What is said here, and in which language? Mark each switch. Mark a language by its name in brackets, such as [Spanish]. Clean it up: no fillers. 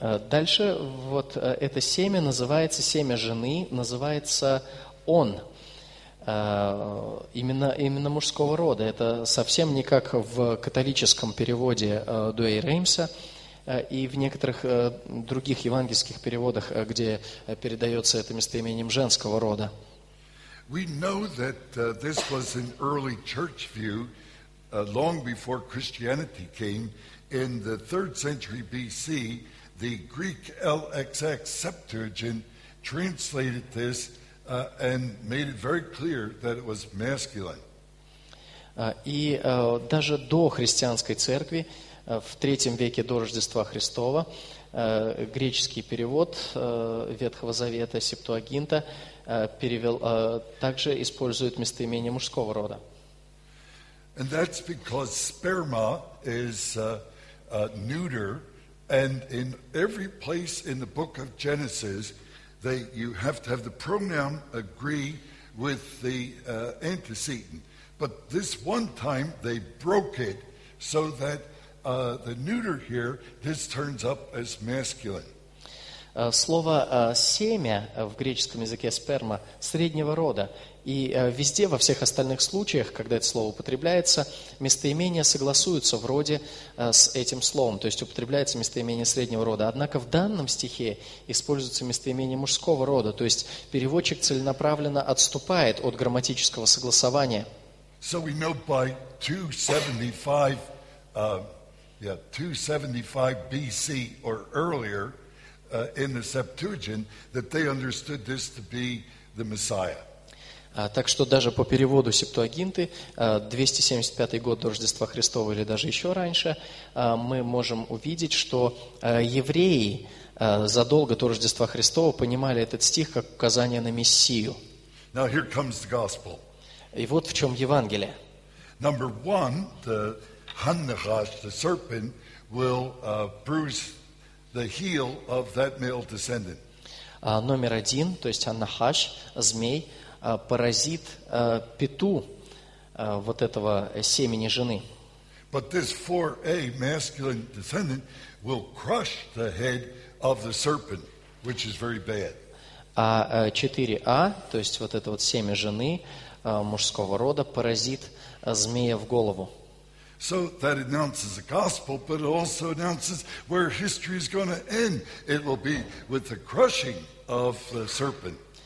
[Russian] Дальше вот это семя называется семя жены, называется он, именно мужского рода. Это совсем не как в католическом переводе Дуэй Реймса и в некоторых других евангельских переводах, где передается это местоимением женского рода. [English] We know that this was an early church view long before Christianity came in the 3rd century BC. The Greek LXX Septuagint translated this and made it very clear that it was masculine. [Russian] И даже до христианской церкви, в 3 веке до Рождества Христова, греческий перевод Ветхого Завета, Септуагинта, перевел, также использует местоимение мужского рода. [English] And that's because sperma is neuter. And in every place in the book of Genesis, you have to have the pronoun agree with the antecedent. But this one time, they broke it so that the neuter here, this turns up as masculine. [Russian] Слово «семя» в греческом языке «сперма» — среднего рода. И везде, во всех остальных случаях, когда это слово употребляется, местоимения согласуются в роде с этим словом. То есть употребляется местоимение среднего рода. Однако в данном стихе используется местоимение мужского рода. То есть переводчик целенаправленно отступает от грамматического согласования. [English] So we know by 275 BC or earlier, in the Septuagint, that they understood this to be the Messiah. [Russian] Так что даже по переводу Септуагинты, 275 год до Рождества Христова или даже еще раньше, мы можем увидеть, что евреи задолго до Рождества Христова понимали этот стих как указание на Мессию. [English] Now here comes the gospel. [Russian] И вот в чем Евангелие. [English] Number one, the Hanachash, the serpent, will bruise the heel of that male descendant. [Russian] Номер один, то есть Аннахаш, змей, поразит пету вот этого семени жены. [English] But this 4A masculine descendant will crush the head of the serpent, which is very bad. [Russian] А 4A, то есть вот это вот семя жены мужского рода, поразит змея в голову. [English] So that announces the gospel, but it also announces where history is going to end. It will be with the crushing of the serpent.